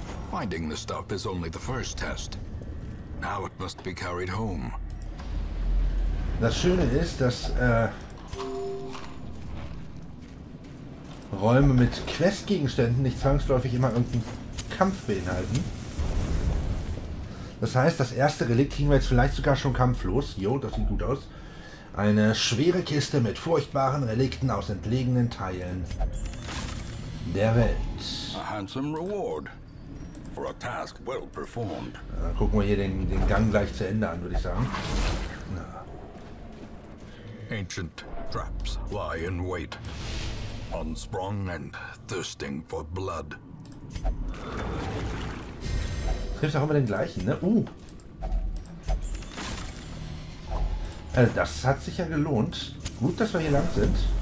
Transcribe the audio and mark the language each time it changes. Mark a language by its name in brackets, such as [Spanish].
[English] Finding the stuff is only the first test. Now it must be carried home. [German] Das Schöne ist, dass Räume mit Questgegenständen nicht zwangsläufig immer irgendeinen Kampf beinhalten. Das heißt, das erste Relikt kriegen wir jetzt vielleicht sogar schon kampflos. Jo, das sieht gut aus. Eine schwere Kiste mit furchtbaren Relikten aus entlegenen Teilen der Welt. [English] A handsome reward. For a task well performed. [German] Dann gucken wir hier den Gang gleich zu Ende an, würde ich sagen. Na. [English] Ancient traps lie in wait, unsprung and thirsting for blood. [German] Triffst auch immer den gleichen, ne? Also das hat sich ja gelohnt. Gut, dass wir hier lang sind.